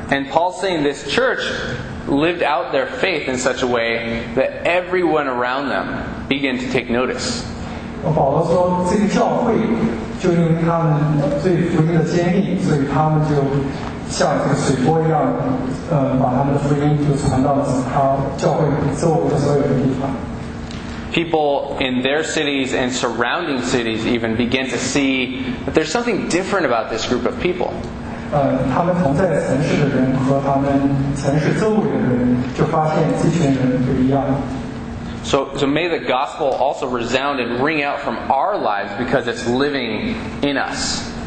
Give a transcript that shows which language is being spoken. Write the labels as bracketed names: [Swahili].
[English] Paul's saying this church lived out their faith in such a way that everyone around them began to take notice. [Chinese] 保罗说，这个教会就因为他们对福音的坚定，所以他们就像这个水波一样，把他们的福音就传到了他教会周围的所有的地方。 [English] People in their cities and surrounding cities even begin to see that there's something different about this group of people. [Chinese] 他们同在城市的人和他们城市周围的人就发现这群人不一样。 [English] So may the gospel also resound and ring out from our lives because it's living in us.